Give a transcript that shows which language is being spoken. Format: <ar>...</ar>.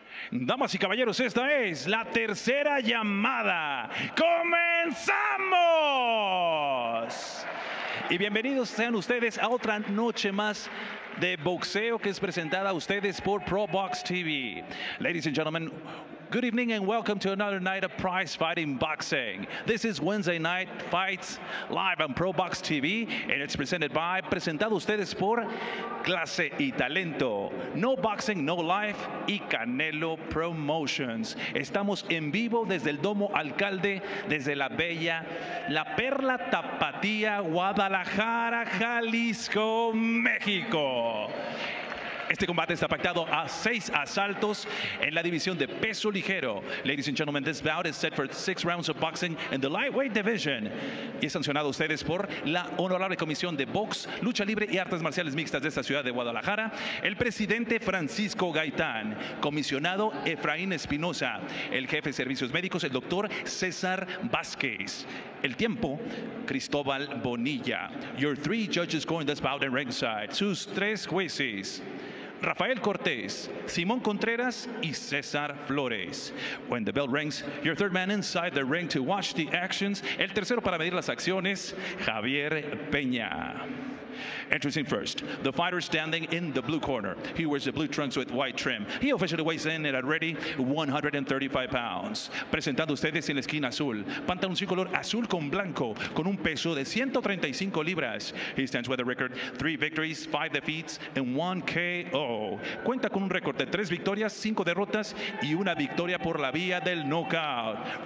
<es>Damas y caballeros, esta es la tercera llamada. ¡Comenzamos! Y bienvenidos sean ustedes a otra noche más de boxeo que es presentada a ustedes por ProBox TV.</es> <en>Ladies and gentlemen, good evening and welcome to another night of prize fighting boxing. This is Wednesday Night Fights live on ProBox TV, and it's</en> <es>presentado ustedes por</es> <en>Clase y Talento, No Boxing, No Life y Canelo Promotions.</en> <es>Estamos en vivo desde el Domo Alcalde, desde la bella, la Perla Tapatía, Guadalajara, Jalisco, México. Este combate está pactado a 6 asaltos en la división de peso ligero.</es> <en>Ladies and gentlemen, this bout is set for 6 rounds of boxing in the lightweight division.</en> <es>Y es sancionado a ustedes por la Honorable Comisión de Box, Lucha Libre y Artes Marciales Mixtas de esta ciudad de Guadalajara, el presidente Francisco Gaitán, comisionado Efraín Espinosa, el jefe de servicios médicos, el doctor César Vázquez, el tiempo, Cristóbal Bonilla.</es> <en>Your 3 judges going this bout in ringside.</en> <es>Sus 3 jueces:</es> <en>Rafael Cortés, Simón Contreras, y César Flores. When the bell rings, your 3rd man inside the ring to watch the actions.</en> <es>El tercero para medir las acciones, Javier Peña.</es> <en>Introducing first, the fighter standing in the blue corner. He wears the blue trunks with white trim. He officially weighs in at already 135 pounds.</en> <es>Presentando ustedes en la esquina azul, pantaloncillo color azul con blanco, con un peso de 135 libras.</es> <en>He stands with a record, 3 victories, 5 defeats, and 1 KO.</en> <es>Cuenta con un récord de 3 victorias, 5 derrotas, y una victoria por la vía del knockout.</es>